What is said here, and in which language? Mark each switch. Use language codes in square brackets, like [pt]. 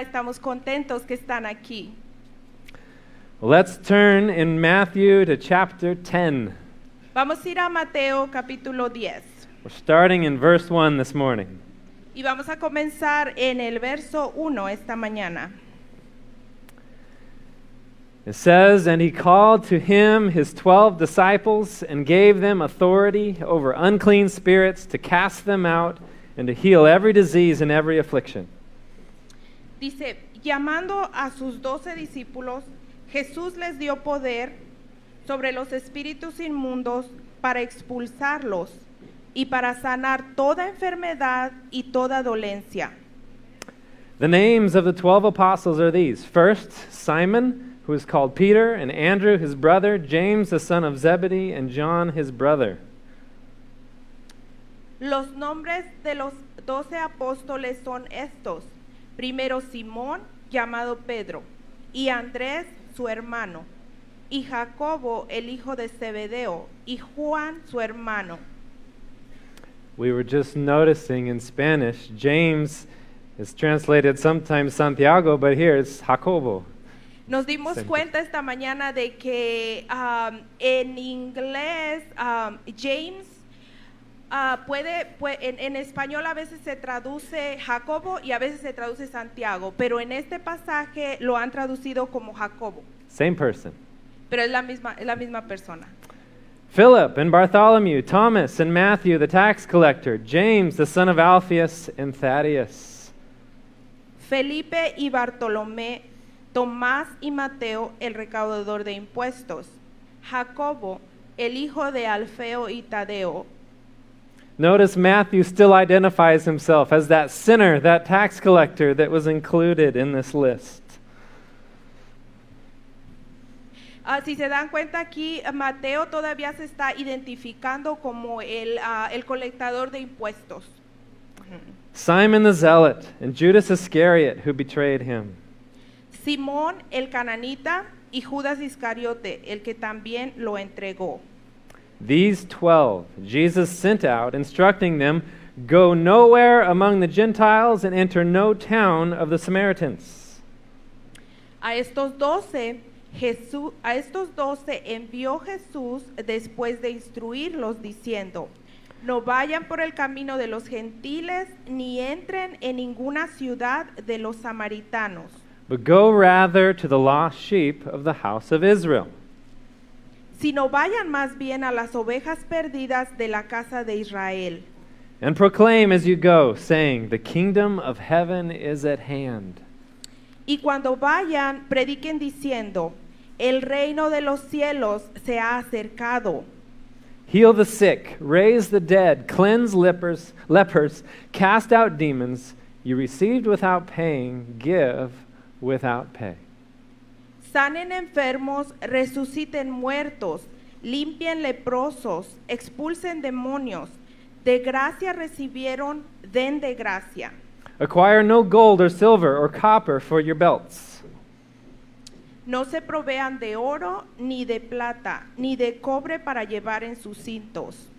[es] Estamos contentos que están aquí. [en] Let's turn in Matthew to chapter 10. [es] Vamos a ir a Mateo capítulo 10. [en] We're starting in verse 1 this morning. [es] Y vamos a comenzar en el verso 1 esta mañana. [en] It says, and he called to him his 12 disciples and gave them authority over unclean spirits to cast them out and to heal every disease and every affliction. [es] Dice, llamando a sus 12 discípulos, Jesús les dio poder sobre los espíritus inmundos para expulsarlos y para sanar toda enfermedad y toda dolencia. [en] The names of the 12 apostles are these. First, Simon, who is called Peter, and Andrew, his brother, James, the son of Zebedee, and John, his brother. [es] Los nombres de los 12 apóstoles son estos. Primero, Simón, llamado Pedro, y Andrés, su hermano, y Jacobo, el hijo de Zebedeo, y Juan, su hermano. [en] We were just noticing in Spanish, James is translated sometimes Santiago, but here it's Jacobo. [es] Nos dimos cuenta esta mañana de que en inglés James en español a veces se traduce Jacobo y a veces se traduce Santiago, pero en este pasaje lo han traducido como Jacobo. [en] Same person. [es] Pero es la misma persona. [en] Philip and Bartholomew, Thomas and Matthew, the tax collector, James, the son of Alphaeus and Thaddeus. [es] Felipe y Bartolomé, Tomás y Mateo, el recaudador de impuestos. Jacobo, el hijo de Alfeo y Tadeo. [en] Notice Matthew still identifies himself as that sinner, that tax collector that was included in this list. [es] Si se dan cuenta aquí, Mateo todavía se está identificando como el colectador de impuestos. [en] Simon the Zealot and Judas Iscariot, who betrayed him. [es] Simón el Cananita y Judas Iscariote, el que también lo entregó. [en] These 12, Jesus sent out, instructing them, go nowhere among the Gentiles and enter no town of the Samaritans. [es] A estos doce envió Jesús después de instruirlos diciendo, no vayan por el camino de los gentiles ni entren en ninguna ciudad de los samaritanos. [en] But go rather to the lost sheep of the house of Israel. [es] Sino vayan más bien a las ovejas perdidas de la casa de Israel. [en] And proclaim as you go, saying, the kingdom of heaven is at hand. [es] Y cuando vayan, prediquen diciendo, el reino de los cielos se ha acercado. [en] Heal the sick, raise the dead, cleanse lepers, cast out demons. You received without paying, give without pay. [es] Sanen enfermos, resuciten muertos, limpien leprosos, expulsen demonios. De gracia recibieron, den de gracia. [en] Acquire no gold or silver or copper for your belts. [es] No se provean de oro, ni de plata, ni de cobre para llevar en sus cintos.